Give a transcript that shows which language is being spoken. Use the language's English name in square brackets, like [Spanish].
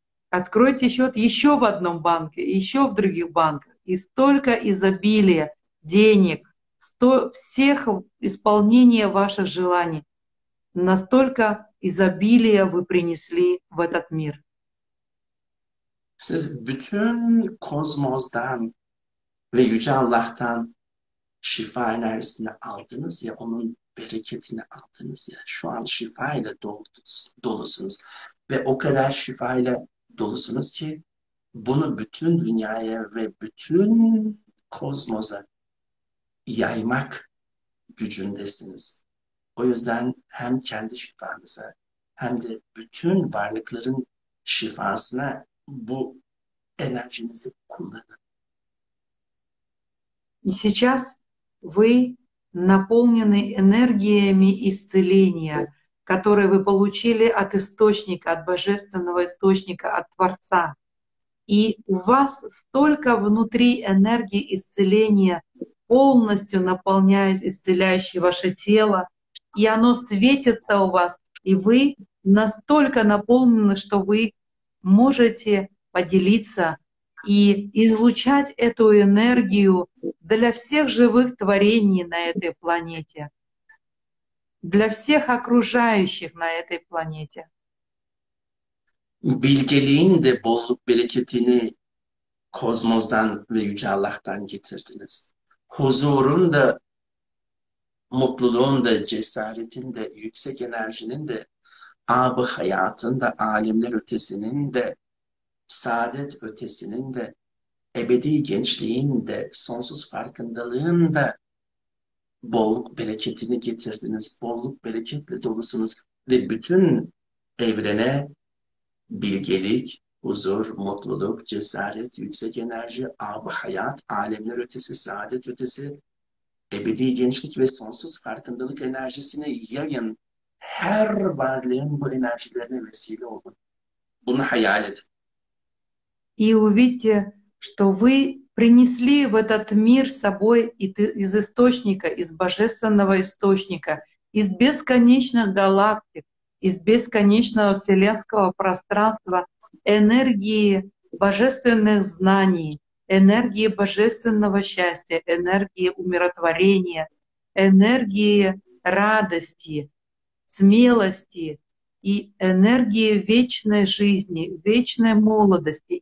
[Russian] Откройте счет еще в одном банке, еще в других банках. И столько изобилия денег, всех исполнения ваших желаний, настолько изобилие вы принесли в этот мир. [Turkish] Siz bütün kozmozdan ve Yüce Allah'tan şifa enerjisini aldınız ya, onun bereketini aldınız ya, şu an şifa ile dolusunuz. Ve o kadar şifa ile dolusunuz ki bunu bütün dünyaya ve bütün kozmoza yaymak gücündesiniz. O yüzden hem kendi şifanıza hem de bütün varlıkların şifasına bu enerjinizi kullanın. [Russian] И сейчас вы наполнены энергиями исцеления, которые вы получили от источника, от божественного источника, от Творца. И у вас столько внутри энергии исцеления, полностью наполняясь, исцеляющей ваше тело, и оно светится у вас, и вы настолько наполнены, что вы можете поделиться и излучать эту энергию для всех живых творений на этой планете, для всех окружающих на этой планете. [Turkish] Bilgeliğin de bol bereketini kozmozdan ve Yüce Allah'tan getirdiniz. Huzurun da, mutluluğun da, cesaretin de, yüksek enerjinin de, ab-ı hayatın da, alemler ötesinin de, saadet ötesinin de, ebedi gençliğin de, sonsuz farkındalığın da bolluk bereketini getirdiniz. Bolluk bereketle dolusunuz ve bütün evrene bilgelik, huzur, mutluluk, cesaret, yüksek enerji, ab-ı hayat, alemler ötesi, saadet ötesi, ebedi gençlik ve sonsuz farkındalık enerjisini yayın. Her varlığın bu enerjilerine vesile olun. Bunu hayal edin. [Russian] И увидьте, что вы принесли в этот мир собой из источника, из божественного источника, из бесконечных галактик, из бесконечного вселенского пространства энергии божественных знаний, энергии божественного счастья, энергии умиротворения, энергии радости, смелости и энергии вечной жизни, вечной молодости.